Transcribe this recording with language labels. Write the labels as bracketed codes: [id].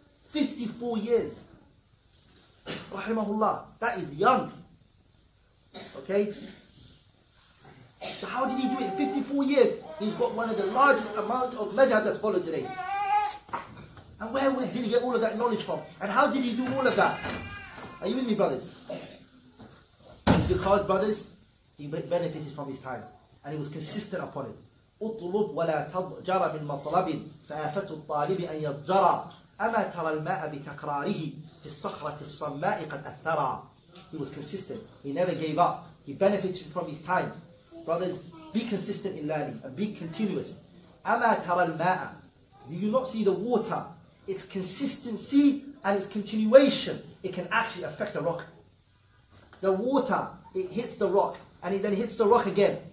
[en] 54 years. Rahimahullah. That is young. Okay? So how did he do it? 54 years. He's got one of the largest amount of madhab that's followed today. And where did he get all of that knowledge from? And how did he do all of that? Are you with me, brothers? Because, brothers, he benefited from his time. And he was consistent upon it. [ar] اطلب ولا تضجر من مطلب فافة الطالب أن يضجر أما ترى الماء بتكراره في الصخرة الصماء قد أثرى. [en] He was consistent. He never gave up. He benefited from his time. Brothers, be consistent in learning and be continuous. [ar] أما ترى الماء. [en] Do you not see the water? Its consistency and its continuation, it can actually affect a rock. The water, it hits the rock and it then hits the rock again.